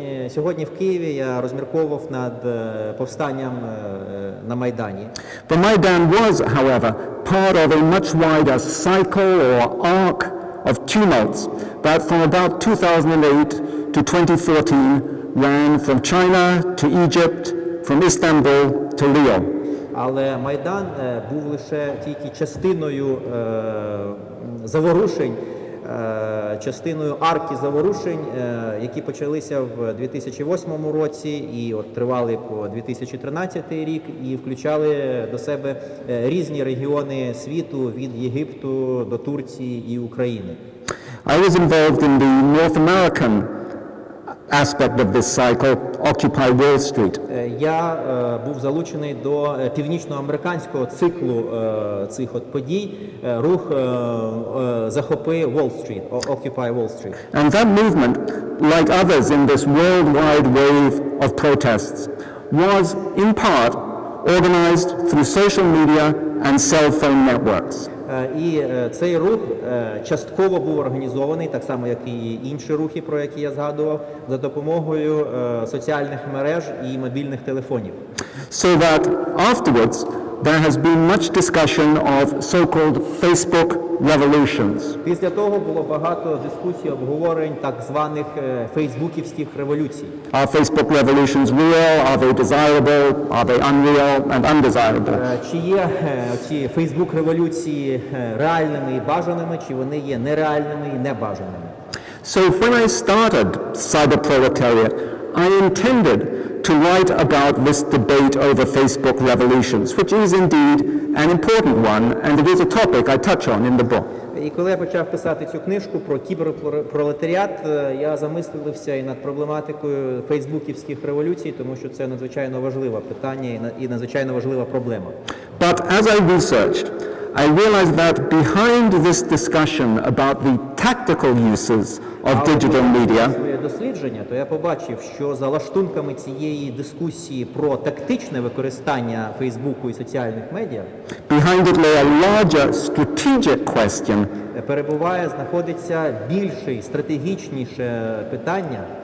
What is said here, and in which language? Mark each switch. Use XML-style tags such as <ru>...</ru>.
<uk>Сьогодні в Києві я розмірковував над повстанням на Майдані.</uk> <en>The Maidan was, however, part of a much wider cycle or arc of tumults that from about 2008 to 2014 ran from China to Egypt, from Istanbul to Lyon.</en> <uk>Але Майдан був лише тільки частиною заворушень, частиною арки заворушень, які почалися в 2008 році і от тривали по 2013 рік і включали до себе різні регіони світу від Єгипту до Турції і України.</uk> <en>I was involved in the North American aspect of this cycle, Occupy Wall Street.</en> <uk>Я був залучений до північноамериканського циклу цих от подій, рух захопи Wall Street, Occupy Wall Street.</uk> <en>And that movement, like others in this worldwide wave of protests, was in part organized through social media and cell phone networks.</en> <uk>І цей рух частково був організований, так само, як і інші рухи, про які я згадував, за допомогою соціальних мереж і мобільних телефонів.</uk> <en>So that afterwards there has been much discussion of so-called Facebook revolutions.</en> <uk>Після того було багато дискусій, обговорень так званих фейсбуківських революцій.</uk> <en>Are Facebook revolutions real? Are they desirable? Are they unreal and undesirable?</en> <uk>Чи є ці Facebook революції реальними і бажаними, чи вони є нереальними і небажаними?</uk> <en>So when I started Cyber Proletariat, I intended to write about this debate over Facebook revolutions, which is indeed an important one, and it is a topic I touch on in the book.</en> <uk>І коли я почав писати цю книжку про кіберпролетаріат, я замислився і над проблематикою фейсбуківських революцій, тому що це надзвичайно важливе питання і надзвичайно важлива проблема.</uk> <en>But as I researched, I realized that behind this discussion about the tactical uses of digital media,</en> <uk>дослідження, то я побачив, що за лаштунками цієї дискусії про тактичне використання Фейсбуку і соціальних медіа,</uk> <en>behind it lay a larger strategic question,</en> <uk>перебуває, знаходиться більше і стратегічніше питання,</uk>